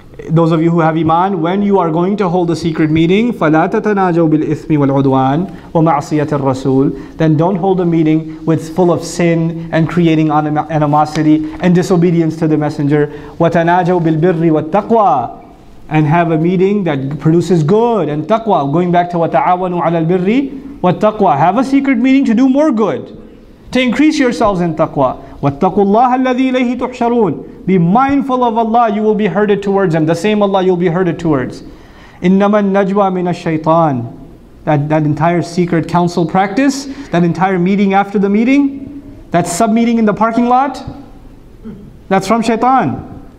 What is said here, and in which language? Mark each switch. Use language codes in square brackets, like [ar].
[en] Those of you who have iman, when you are going to hold a secret meeting, [ar] فَلَا تَتَنَاجَوْ بِالْإِثْمِ وَالْعُدْوَانِ وَمَعْصِيَةِ الرَّسُولِ. [en] Then don't hold a meeting with full of sin and creating animosity and disobedience to the messenger. [ar] وَتَنَاجَوْ بِالْبِرِّ وَالتَّقْوَى. [en] And have a meeting that produces good and taqwa. Going back to [ar] وَتَعَاوَنُوا عَلَى الْبِرِّ وَالتَّقْوَى. [en] Have a secret meeting to do more good, to increase yourselves in taqwa. [ar] وَاتَّقُوا اللَّهَ الَّذِي إِلَيْهِ تُحْشَرُونَ. [en] Be mindful of Allah, you will be herded towards Him. The same Allah you'll be herded towards. [ar] إِنَّمَا النَّجْوَى مِنَ الشَّيْطَانِ. [en] That entire secret council practice, that entire meeting after the meeting, that sub-meeting in the parking lot, that's from shaitan.